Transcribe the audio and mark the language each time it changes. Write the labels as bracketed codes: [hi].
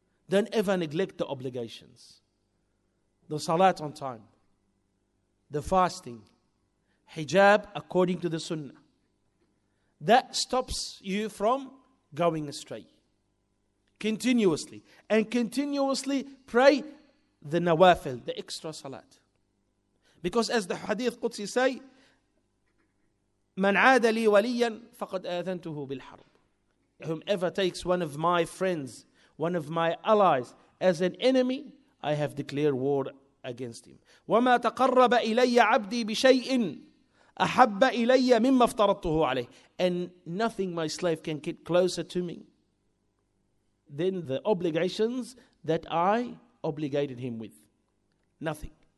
[en] Don't ever neglect the obligations. The salat on time. The fasting. Hijab according to the sunnah. That stops you from going astray. Continuously. And continuously pray the nawafil, the extra salat. Because as the hadith Qudsi say, [ar] مَنْ عَادَ لِي وَلِيًّا فَقَدْ آذَنْتُهُ بِالْحَرْبِ. [en] Whomever takes one of my friends, one of my allies, as an enemy, I have declared war against him. [ar] وَمَا تَقَرَّبَ إِلَيَّ عَبْدِي بِشَيْءٍ أَحَبَّ إِلَيَّ مِمَّ افْتَرَضْتُهُ عَلَيْهِ. [en] And nothing my slave can get closer to me than the obligations that I obligated him with. Nothing.